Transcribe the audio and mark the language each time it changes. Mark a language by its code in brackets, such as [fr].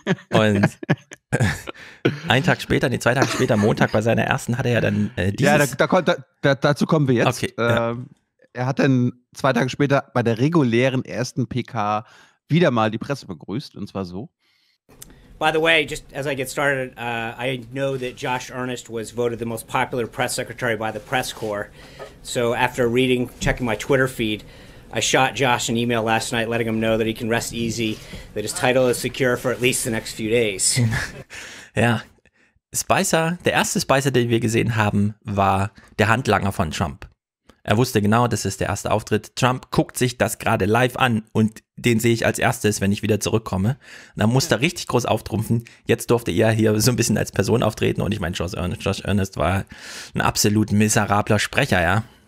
[de] Und ein Tag später, nee, zwei Tage später, Montag bei seiner ersten, hat er ja dann dieses... Ja, dazu kommen wir jetzt. Okay, er hat dann zwei Tage später bei der regulären ersten PK wieder mal die Presse begrüßt, und zwar so. [en] By the way, just as I get started, I know that Josh Earnest was voted the most popular press secretary by the press corps. So after reading, checking my Twitter feed... I shot Josh an email last night letting him know that he can rest easy, that his title is secure for at least the next few days. [de] Ja, Spicer, der erste Spicer, den wir gesehen haben, war der Handlanger von Trump. Er wusste genau, das ist der erste Auftritt. Trump guckt sich das gerade live an und den sehe ich als erstes, wenn ich wieder zurückkomme. Da musste er richtig groß auftrumpfen. Jetzt durfte er hier so ein bisschen als Person auftreten und ich meine, Josh Earnest war ein absolut miserabler Sprecher, ja.